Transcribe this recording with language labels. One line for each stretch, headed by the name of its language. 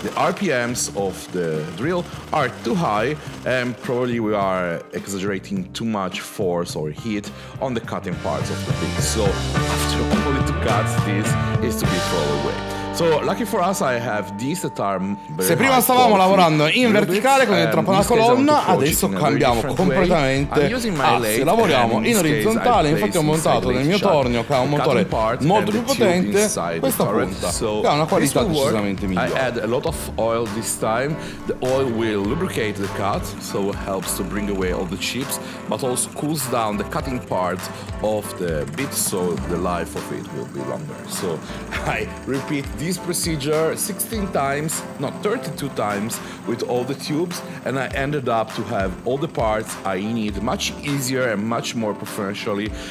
English: The RPMs of the drill are too high, and probably we are exaggerating too much force or heat on the cutting parts of the bit. So after only two cuts, this is to be thrown away. So, lucky for us, I have these that are
Italian: se prima stavamo quality, lavorando in verticale con il trampo della colonna, adesso cambiamo completamente. Se lavoriamo in orizzontale, infatti ho montato nel mio tornio che ha un motore molto più potente, questa punta che ha una qualità decisamente migliore.
English: I add a lot of oil this time. The oil will lubricate the cut, so it helps to bring away all the chips, but also cools down the cutting part of the bit, so the life of it will be longer. So I repeat this procedure 16 times, no, 32 times with all the tubes, and I ended up to have all the parts I need much easier and much more professionally.